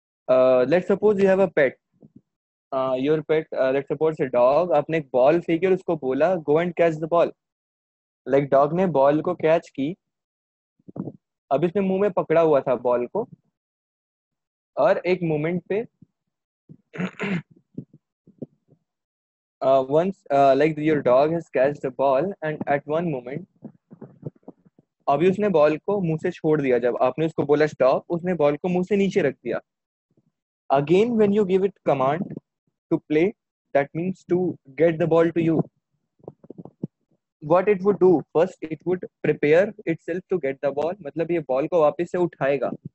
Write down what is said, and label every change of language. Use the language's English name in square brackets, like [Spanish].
[English] let suppose you have a pet, your pet, let suppose a dog, [Hindi] आपने एक ball फेंकी, उसको बोला [English] go and catch the ball, [Hindi] like dog ने ball को कैच की, अब इसने मुंह में पकड़ा हुआ था बॉल को, और एक मोमेंट पे [English] once like your dog has catch the ball and at one moment, [Hindi] अभी उसने बॉल को मुंह से छोड़ दिया, जब आपने उसको बोला स्टॉप, उसने बॉल को मुंह से नीचे रख दिया. [English] Again, when you give it command to play, that means to get the ball to you. What it would do? First, it would prepare itself to get the ball. [Hindi] मतलब ये ball को वापस से उठाएगा.